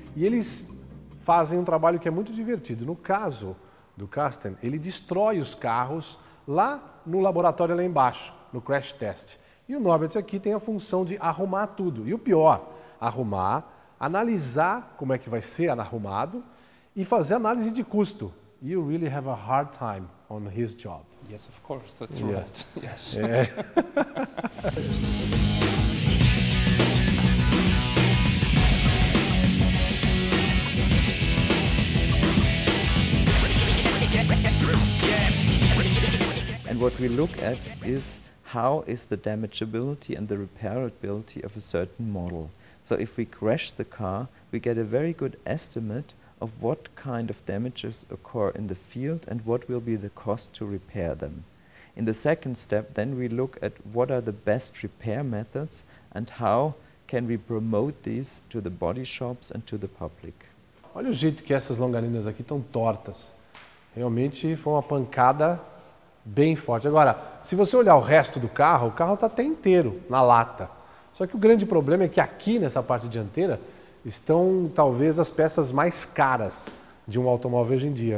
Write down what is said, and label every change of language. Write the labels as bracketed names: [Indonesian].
[Portuguese] E eles fazem um trabalho que é muito divertido. No caso do Carsten, ele destrói os carros lá no laboratório lá embaixo, no crash test. E o Norbert aqui tem a função de arrumar tudo. E o pior, arrumar, analisar como é que vai ser arrumado e fazer análise de custo. [English] You really have a hard time on his job. Yes, of course, that's right. Yeah. Yes. And what we look at is how is the damageability and the repairability of a certain model. So if we crash the car, we get a very good estimate of what kind of damages occur in the field and what will be the cost to repair them. In the second step, then we look at what are the best repair methods and how can we promote these to the body shops and to the public. [Portuguese] Olha o jeito que essas longarinas aqui estão tortas. Realmente foi uma pancada bem forte. Agora, se você olhar o resto do carro, o carro está até inteiro na lata. Só que o grande problema é que aqui nessa parte dianteira estão talvez as peças mais caras de um automóvel hoje em dia.